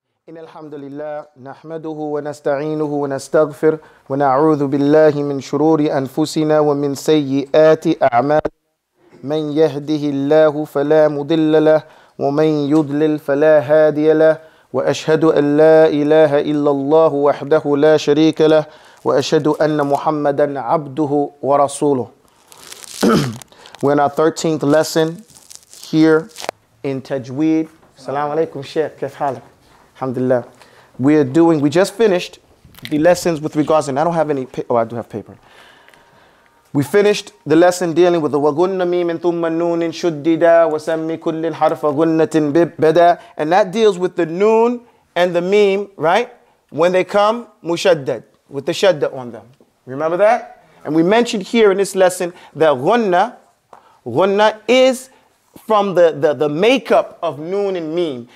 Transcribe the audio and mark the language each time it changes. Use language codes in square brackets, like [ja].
[ar] إن الحمد لله نحمده ونستعينه ونستغفر ونعوذ بالله من شرور أنفسنا ومن سيئات أعمال من يهده الله فلا مضل له ومن يضلل فلا هادي له وأشهد أن لا إله إلا الله وحده لا شريك له وأشهد أن محمدا عبده ورسوله. [en] We're in our 13th lesson here in Tajweed. Assalamu alaikum, Sheikh. [ar] كيف حالك؟ [en] Alhamdulillah. We just finished the lessons with regards, and I don't have any, I do have paper. We finished the lesson dealing with the [ar] وَغُنَّ مِيمٍ ثُمَّ نُونٍ شُدِّدَ وَسَمِّ كُلِّ الْحَرْفَ غُنَّةٍ بِبَدَى. [en] And that deals with the noon and the meme, right? When they come, مُشَدَّد, with the shadda on them. Remember that? And we mentioned here in this lesson that غُنَّة is from the makeup of noon and meme.